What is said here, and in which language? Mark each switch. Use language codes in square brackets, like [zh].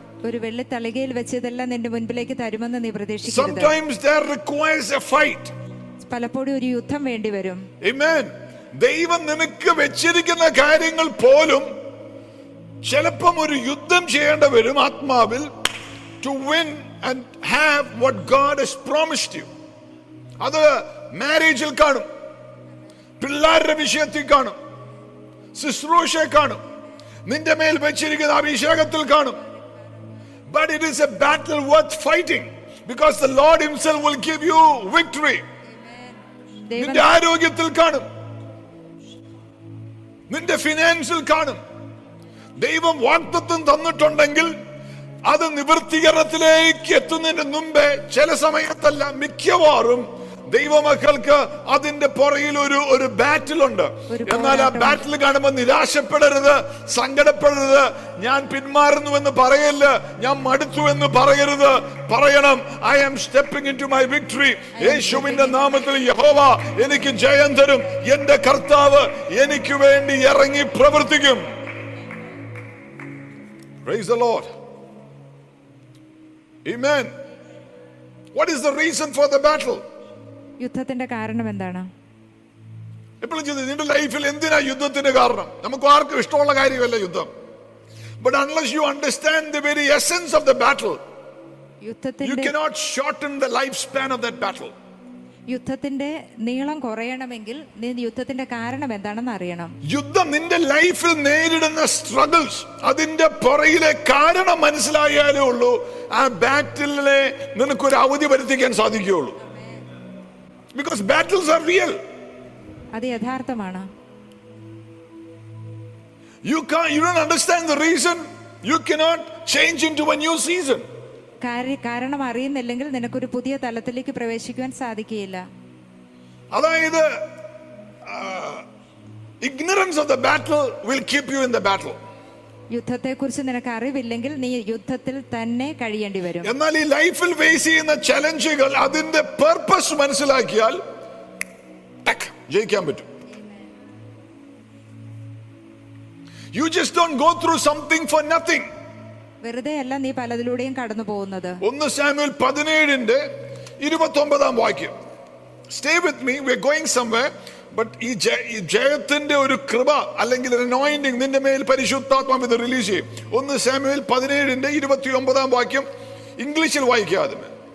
[ml] ഒരു വെള്ളി തലകയിൽ വെച്ചതെല്ലാം നിന്റെ മുൻപിലേക്ക് തരുമെന്ന് നീ പ്രതീക്ഷിക്കരുത്. [en] Sometimes there requires a fight. [ml] പലപ്പോഴും ഒരു യുദ്ധം വേണ്ടി വരും. [en] Amen. [ml] ദൈവം നിനക്ക് വെച്ചിരിക്കുന്ന കാര്യങ്ങൾ പോലും ചിലപ്പോൾ ഒരു യുദ്ധം ചെയ്യേണ്ടി വരും ആത്മാവിൽ. [en] To win and have what God has promised you. [ml] അത് മാരേജിൽ കാണും, പിള്ളേരുടെ വിഷയത്തിൽ കാണും, ശുശ്രൂഷയിൽ കാണും, നിന്റെ മേൽ വെച്ചിരിക്കുന്ന അഭിഷേകത്തിൽ കാണും. [en] But it is a battle worth fighting because the Lord himself will give you victory. [ml] നിന്റെ ആരോഗ്യത്തിൽ കാണും, നിന്റെ ഫിനാൻസിൽ കാണും. ദൈവം വാഗ്ദത്തം തന്നിട്ടുണ്ടെങ്കിൽ അത് നിവൃത്തീകരണത്തിലേക്ക് എത്തുന്നതിന് മുമ്പേ ചില സമയത്തല്ല മിക്കവാറും ദൈവമക്കൾക്ക് അതിന്റെ പുറകിൽ ഒരു ഒരു ബാറ്റിൽ ഉണ്ട്. എന്നാൽ ആ ബാറ്റിൽ കാണുമ്പോൾ നിരാശപ്പെടരുത്, സങ്കടപ്പെടരുത്. ഞാൻ പിന്മാറുന്നു എന്ന് പറയല്ല, ഞാൻ മടുത്തു എന്ന് പറയരുത്. പറയണം, [en] I am stepping into my victory. [ml] യേശുവിന്റെ നാമത്തിൽ യഹോവ എനിക്ക് ജയം തരും, എന്റെ കർത്താവ് എനിക്ക് വേണ്ടി ഇറങ്ങി പ്രവർത്തിക്കും. [en] Praise the lord. Amen. What is the reason for the battle? [ml] യുദ്ധത്തിന്റെ കാരണം എന്താണ്? എപ്പോഴും ചോദിച്ചു, നിന്റെ ലൈഫിൽ എന്തിനാ യുദ്ധത്തിന്റെ കാരണം? നമുക്ക് ആർക്കും ഇഷ്ടമുള്ള കാര്യമല്ല യുദ്ധം. [en] But unless you understand the very essence of the battle, you cannot shorten the lifespan of that battle. [ml] യുദ്ധത്തിന്റെ നീളം കുറയണമെങ്കിൽ നീ യുദ്ധത്തിന്റെ കാരണം എന്താണെന്ന് അറിയണം. യുദ്ധം നിന്റെ ലൈഫിൽ നേരിടുന്ന സ്ട്രഗിൾസ് അതിന്റെ പുറകിലെ കാരണം മനസ്സിലായാലേ ഉള്ളൂ ആ ബാറ്റിലെ നിനക്ക് ഒരു അവധി വരുത്തിക്കാൻ സാധിക്കുകയുള്ളൂ. [en] Because battles are real. [ml] അത് യഥാർത്ഥമാണ്. [en] you don't understand the reason, you cannot change into a new season. [ml] കാരണം അറിയുന്നില്ലെങ്കിൽ നിനക്ക് ഒരു പുതിയ തലത്തിലേക്ക് പ്രവേശിക്കാൻ സാധിക്കില്ല. [en] അതായത് ignorance of the battle will keep you in the battle. [ml] യുദ്ധത്തെ കുറിച്ച് നിനക്ക് അറിവില്ലെങ്കിൽ നീ യുദ്ധത്തിൽ തന്നെ കഴിയേണ്ടി വരും. എന്നാൽ ഈ ലൈഫിൽ ഫേസ് ചെയ്യുന്ന ചലഞ്ചുകൾ അതിന്റെ പർപ്പസ് മനസ്സിലാക്കിയാൽ ജയിക്കാൻ പറ്റും. [en] You just don't go through something for nothing. [ml] വെറുതെ അല്ല നീ പലതിലൂടെയും കടന്നു പോകുന്നത്. 1 Samuel 17:29 വാക്യം. [en] Stay with me, we're going somewhere. [ml] But ജയത്തിന്റെ ഒരു കൃപ അല്ലെങ്കിൽ anointing നിന്റെ മേൽ പരിശുദ്ധാത്മാവ് ഇത് റിലീസ് ചെയ്യും. 1 Samuel 17:29 വാക്യം ഇംഗ്ലീഷിൽ വായിക്കാതെ.